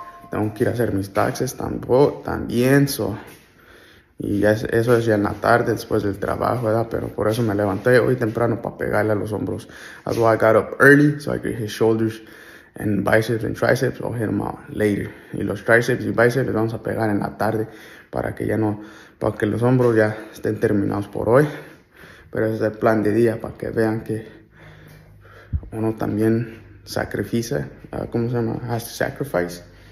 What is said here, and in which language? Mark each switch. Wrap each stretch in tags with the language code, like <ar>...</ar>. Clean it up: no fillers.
<es>Tengo que ir a hacer mis taxes también. Y eso es ya en la tarde después del trabajo, ¿verdad? Pero por eso me levanté hoy temprano para pegarle a los hombros.</es> <en>That's why I got up early, so I could hit shoulders. And biceps and triceps, I'll hit them out later.</en> <es>Y los triceps y biceps los vamos a pegar en la tarde para que ya no, para que los hombros ya estén terminados por hoy. Pero ese es el plan de día para que vean que uno también sacrifica, ¿cómo se llama?</es> <en>Has to sacrifice.</en>